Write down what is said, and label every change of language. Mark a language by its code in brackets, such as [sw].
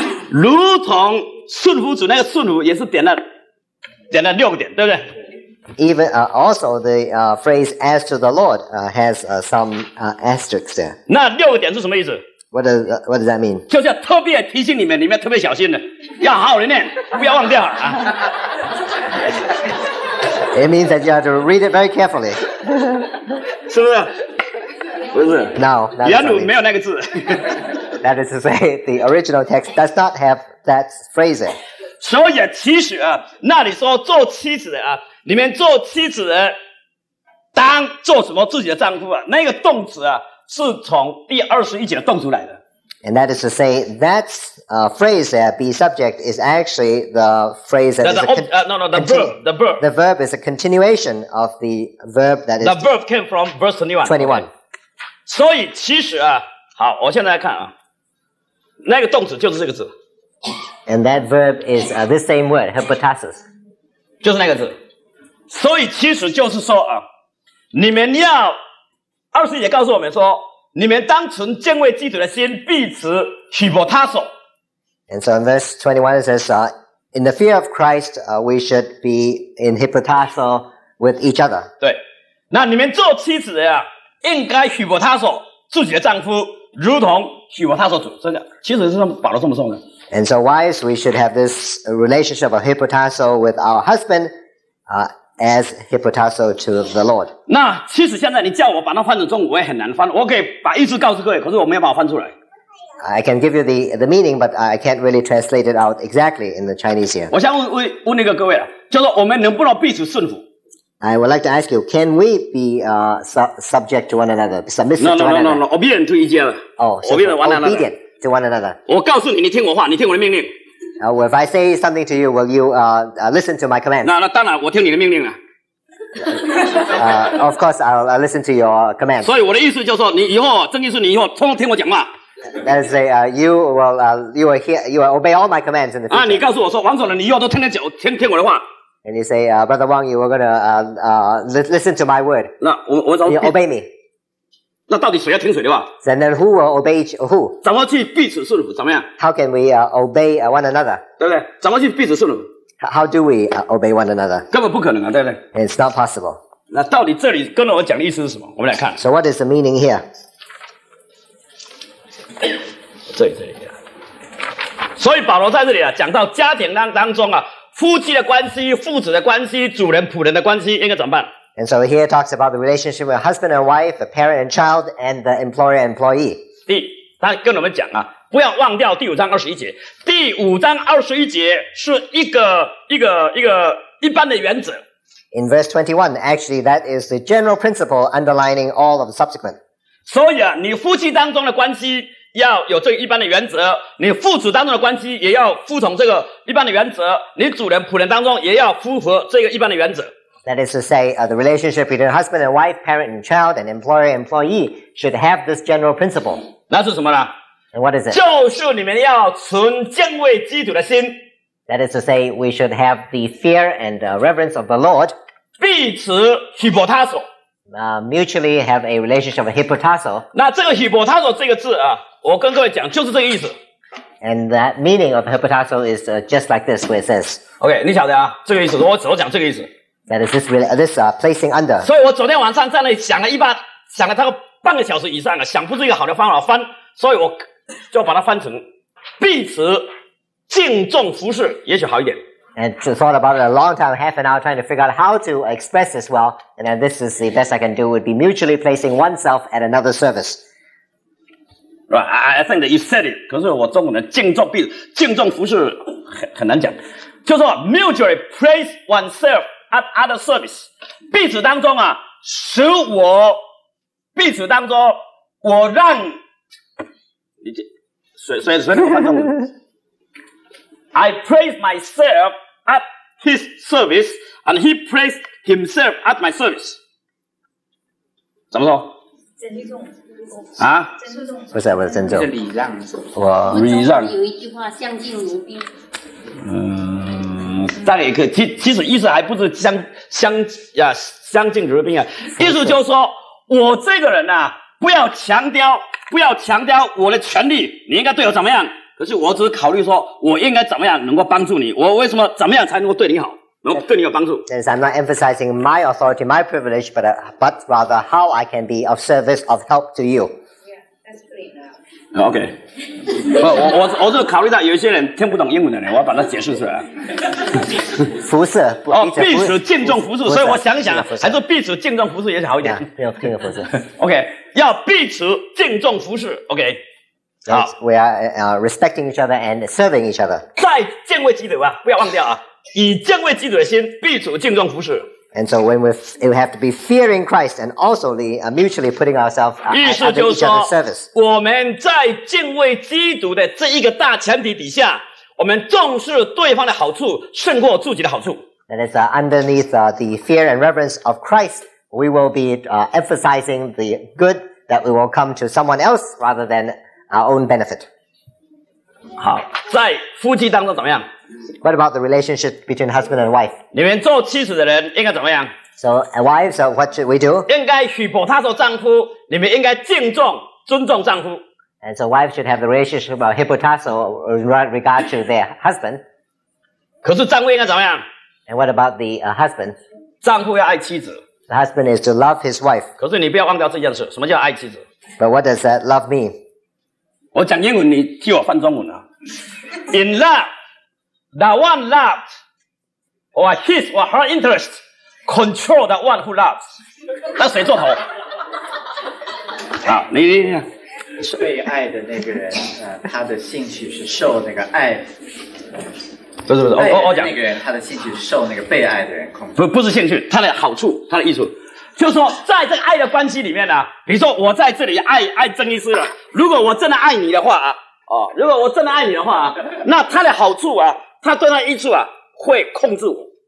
[zh] 如同顺服主，那个顺服也是点了六个点，对不对 [en] ？Even also the phrase as to the Lord has some asterisks there. [zh] 那六个点是什么意思？ [en] What does that mean? [zh] 就是要特别提醒你们，你们要特别小心的，要好好的念，不要忘掉啊。 [en] It means that you have to read it very carefully. [zh] 是不是？不是。 [en] No. [zh] 原文没有那个字。 [en] That is to say, the original text does not have that phrase. [zh] 所以其实啊，那里说做妻子的啊，你们做妻子的当做什么自己的丈夫啊？那个动词啊。是从第二十一节的动出来的。 [en] And that is to say, that phrase there, be subject, is actually the phrase that is the verb. The verb is a continuation of the verb that is. The verb came from verse 21. 21. [zh] 所以其实啊，好，我现在看啊，那个动词就是这个字。 [en] And that verb is the same word, hypotasis. [zh] 就是那个字。所以其实就是说啊，你们要。二十一节告诉我们说，你们当存敬畏基督的心，彼此许伯他所。 [en] And so in verse 21 it says, in the fear of Christ, we should be in hypotasso with each other. [zh] 对，那你们做妻子的呀，应该许伯他所，自己的丈夫如同许伯他所主。真的，其实是保罗这么说的。 [en] And so wives, we should have this relationship of hypotasso with our husband, as hypotasso to the Lord. [zh] 那其实现在你叫我把它翻成中文，我也很难翻。我可以把意思告诉各位，可是我没有把它翻出来。 [en] I can give you the meaning, but I can't really translate it out exactly in the Chinese here. [zh] 我想问那个各位了，就是我们能不能彼此顺服 [en] ？I would like to ask you, can we be subject to one another, submissive to one another? No. Obedient to each other. Oh, obedient to one another. [zh] 我告诉你，你听我话，你听我的命令。 [en] If I say something to you, will you listen to my commands? [zh] 那当然，我听你的命令了。 [en] Of course, I'll listen to your commands. [zh] 所以我的意思就是说，你以后真意思，你以后通通听我讲话。 [en] That is to say, you will obey all my commands in the future. [zh] 你告诉我说，王总呢，你以后都听我的话。 [en] And you say, Brother Wang, you are going to listen to my word. [zh] 那我怎么？ [en] You obey me. [zh] 那到底谁要听谁的话 [en] ？And then who will obey each, who？ [zh] 怎么去彼此顺服？怎么样 [en] ？How can we obey one another？ [zh] 对不对？怎么去彼此顺服 [en] ？How do we obey one another？ [zh] 根本不可能啊，对不对 [en] ？It's not possible。 [zh] 那到底这里跟着我讲的意思是什么？我们来看。 [en] So what is the meaning here？ [zh] 这里。所以保罗在这里啊，讲到家庭当中啊，夫妻的关系、父子的关系、主人仆人的关系，应该怎么办？ [en] And so here it talks about the relationship with husband and wife, the parent and child, and the employer and employee. [zh] 第，他跟我们讲啊，不要忘掉第五章二十一节。第五章二十一节是一个一般的原则。 [en] In verse 21, actually, that is the general principle underlining all of the subsequent. [zh] 所以啊，你夫妻当中的关系要有这个一般的原则，你父子当中的关系也要服从这个一般的原则，你主人仆人当中也要符合这个一般的原则。 [en] That is to say, the relationship between husband and wife, parent and child, and employer and employee should have this general principle. [zh] 那是什么呢 [en] ？And what is it? [zh] 就是你们要存敬畏基督的心。 [en] That is to say, we should have the fear and reverence of the Lord. [zh] 彼此许伯他所。 [en] Mutually have a relationship of hypotasso. [zh] 那这个许伯他所这个字啊，我跟各位讲，就是这个意思。 [en] And that meaning of hypotasso is just like this, where it says. [zh] Okay, 你晓得啊，这个意思，我只讲这个意思。 [en] That is this really, this placing under. [zh] 所以我昨天晚上在那里想了一半，想了差不多半个小时以上啊，想不出一个好的方法翻，所以我就把它翻成彼此敬重服侍也许好一点。 [en] And to thought about it a long time, half an hour trying to figure out how to express this well, and then this is the best I can do would be mutually placing oneself at another service. Right, I think that you said it. [zh] 可是我中文的敬重服侍很难讲，就说 [en] mutually place oneself at other service， [zh] 彼此当中啊，使我彼此当中，我让你这随便反正。 [en] I praise myself at his service, and he praised himself at my service. [zh] 怎么说？尊重啊？不是，不是尊重，是礼让。我礼让。有一句话，相敬如宾。大概也可以。其实意思还不是相敬如宾啊，意思就是说我这个人啊，不要强调我的权利，你应该对我怎么样？可是我只是考虑说我应该怎么样能够帮助你，我为什么怎么样才能够对你好，能够对你有帮助。 [en] Yes, I'm not emphasizing my authority, my privilege, but rather how I can be of service, of help to you. Yeah, that's clear now. OK. [zh] 我只是考虑到有一些人听不懂英文的人，我要把它解释出来。服侍哦，彼此敬重服侍，所以我想想还是彼此敬重服侍也是好一点。要敬重服侍。 OK, 要彼此敬重服侍。OK, [en] So we are respecting each other and serving each other. [zh] 在敬畏基督啊，不要忘掉啊，以敬畏基督的心彼此敬重服侍。 [en] And so when we have to be fearing Christ and also mutually putting ourselves at each other's service. [zh] 我们在敬畏基督的这一个大前提底下，我们重视对方的好处胜过自己的好处。 [en] That is underneath the fear and reverence of Christ, we will be emphasizing the good that we will come to someone else rather thanOur own benefit. [zh] 好，在夫妻当中怎么样 [en] ？What about the relationship between husband and wife? [zh] 你们做妻子的人应该怎么样 [en] ？So wives, so what should we do? [zh] 应该许伯他做丈夫，你们应该敬重、尊重丈夫。 [en] And so wives should have the relationship about hypotasso in regard to their husband. [zh] 可是丈夫应该怎么样 [en] ？And what about the husband? [zh] 丈夫要爱妻子。 [en] The husband is to love his wife. [zh] 可是你不要忘掉这件事，什么叫爱妻子 [en] ？But what does that love mean? [zh] 我讲英文，你替我翻中文啊。 [en] In love, the one loved, or his or her interest, control the one who loves. [zh] 那谁做头？好，你被爱的那个人，他的兴趣是受那个爱。不是，我讲那个人，他的兴趣是受那个被爱的人控制。不是兴趣，他的好处，他的益处。就是说在这个爱的关系里面呢、啊、比如说我在这里爱郑医师了，如果我真的爱你的话啊、哦、如果我真的爱你的话、啊、那他的好处啊，他对他的益处啊会控制我。